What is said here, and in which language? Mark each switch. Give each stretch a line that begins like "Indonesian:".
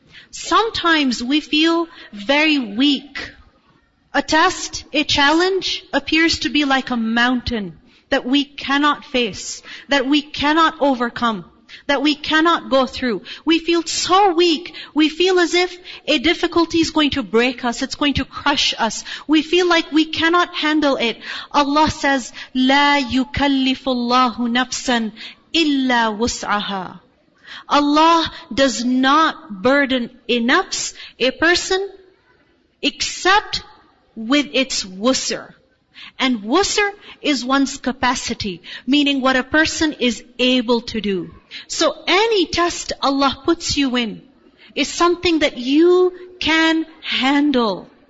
English: Sometimes we feel very weak. A test, a challenge appears to be like a mountain that we cannot face, that we cannot overcome, that we cannot go through. We feel so weak. We feel as if a difficulty is going to break us. It's going to crush us. We feel like we cannot handle it. Allah says,
Arabic: لَا يُكَلِّفُ اللَّهُ نَفْسًا إِلَّا وُسْعَهَا.
English: Allah does not burden a nafs, a person, except with its wusr. And wusr is one's capacity, meaning what a person is able to do. So any test Allah puts you in is something that you can handle.